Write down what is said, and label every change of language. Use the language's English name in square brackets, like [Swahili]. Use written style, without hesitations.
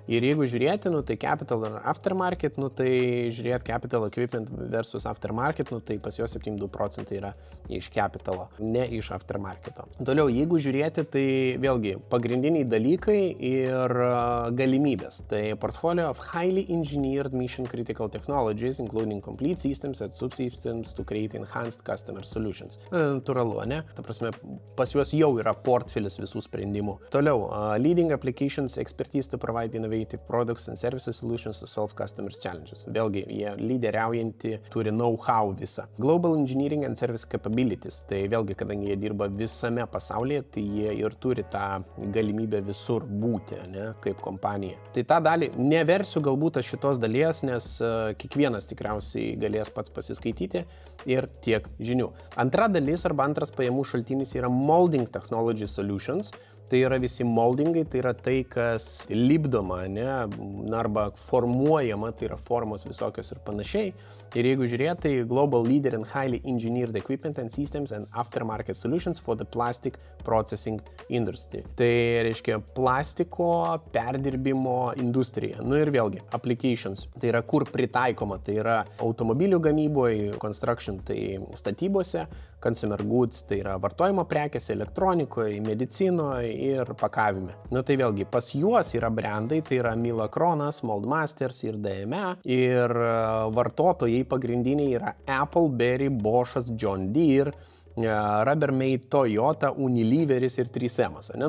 [Lithuanian] Ir jeigu žiūrėti, nu, tai capital ar aftermarket, nu, tai žiūrėt [English] capital equipment versus aftermarket, [Lithuanian] nu, tai pas juos 72% yra iš capitalo, ne iš aftermarketo. Toliau, jeigu žiūrėti, tai vėlgi pagrindiniai dalykai ir galimybės. [English] Tai portfolio of highly engineered mission critical technologies, including complete systems and subsystems to create enhanced customer solutions. [Lithuanian] Natūralu, ne? Ta prasme, pas juos jau yra portfelis visų sprendimų. [English] Toliau, leading applications expertise to provide innovative products and services solutions to solve customers' challenges. [Lithuanian] Vėlgi, jie lyderiaujanti turi know-how visą. [English] Global engineering and service capabilities. [Lithuanian] Tai vėlgi, kadangi jie dirba visame pasaulyje, tai jie ir turi tą galimybę visur būti, ne, kaip kompanija. Tai tą dalį neversiu galbūt aš šitos dalies, nes kiekvienas tikriausiai galės pats pasiskaityti ir tiek žinių. Antra dalis arba antras pajamų šaltinis yra [English] molding technology solutions. [Lithuanian] Tai yra visi moldingai, tai yra tai, kas lipdoma, ne, arba formuojama, tai yra formos visokios ir panašiai. Ir jeigu žiūrėt, tai [English] global leader in highly engineered equipment and systems and aftermarket solutions for the plastic processing industry. [Lithuanian] Tai reiškia plastiko perdirbimo industrija. Nu ir vėlgi, applications, tai yra kur pritaikoma, tai yra automobilių gamyboje, construction, tai statybose, consumer goods, tai yra vartojimo prekėse, elektronikoje, medicinoje ir pakavime. Nu tai vėlgi, pas juos yra brandai, tai yra Mila Kronas, Moldmasters ir DME, ir vartotojai pagrindiniai yra Apple, Berry, Boschas, John Deere, Rubbermaid, Toyota, Unileveris ir 3M'as. Ne?